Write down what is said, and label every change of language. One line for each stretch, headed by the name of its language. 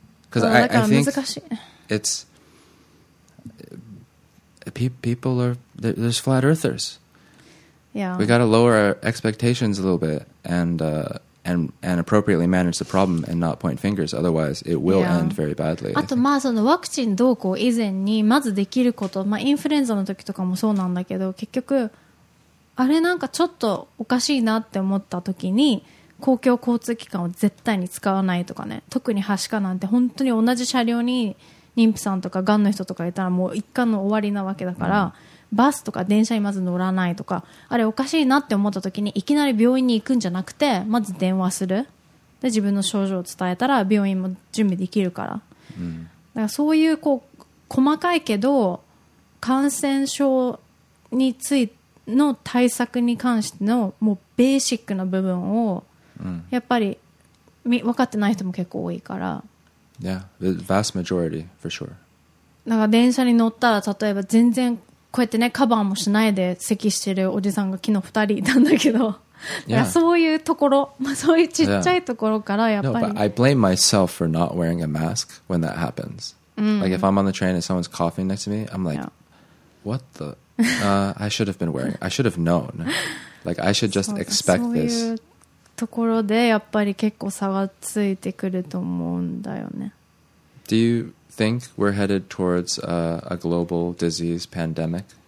English: Because I think it's people are there's flat earthers. Yeah. We got to lower our expectations a little bit and appropriately manage the problem and not point fingers. Otherwise, it will yeah. end very badly.
Japanese: あとまあそのワクチンどうこう以前にまずできること、まあインフルエンザの時とかもそうなんだけど、結局あれなんかちょっとおかしいなって思った時に公共交通機関を絶対に使わないとかね。特にはしかなんて本当に同じ車両に妊婦さんとかがんの人とかいたらもう一巻の終わりなわけだから。 Mm. バスとか電車にまず乗らないとかあれおかしいなって思った時にいきなり病院に行くんじゃなくてまず電話するで自分の症状を伝えたら病院も準備できるから、うん、だからそういうこう細かいけど感染症についての対策に関してのもうベーシックな部分を、うん、やっぱり分かってない人も結構多いから
English: Yeah, the vast majority for sure
Japanese: だから電車に乗ったら例えば全然こうやってねカバーもしないで咳してるおじさんが昨日二人いたんだけど、 yeah. そういうところ、まあ、そういうちっちゃいところからやっぱり、 yeah.
English: No, but I blame myself for not wearing a mask when that happens、 mm. Like if I'm on the train and someone's coughing next to me I'm like、 yeah. What the、I should have been wearing I should have known Like I should just expect this
Japanese: そういうところでやっぱり結構差がついてくると思うんだよね
English: Do youThink we're headed towards a global disease pandemic?